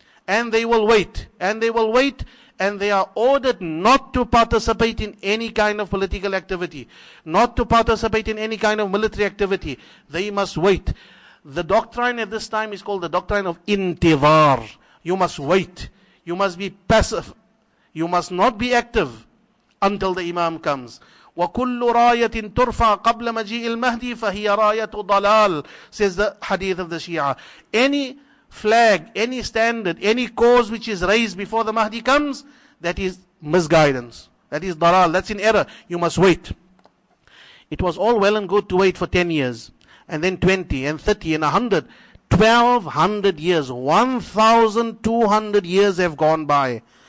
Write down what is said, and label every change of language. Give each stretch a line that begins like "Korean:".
English: And they will wait, and they will wait, and they are ordered not to participate in any kind of political activity, not to participate in any kind of military activity. They must wait. The doctrine at this time is called the doctrine of intivar. You must wait. You must be passive. You must not be active until the Imam comes.
Arabic: وَكُلُّ رَايَةٍ تُرْفَى قَبْلَ مَجِيءِ الْمَهْدِي فَهِيَ رَايَةُ ضَلَالٍ,
English: says the hadith of the Shia. Any flag, any standard, any cause which is raised before the Mahdi comes, that is misguidance. That is dalal. That's in error. You must wait. It was all well and good to wait for 10 years, and then 20, and 30, and 100. 1200 years. 1200 years have gone by.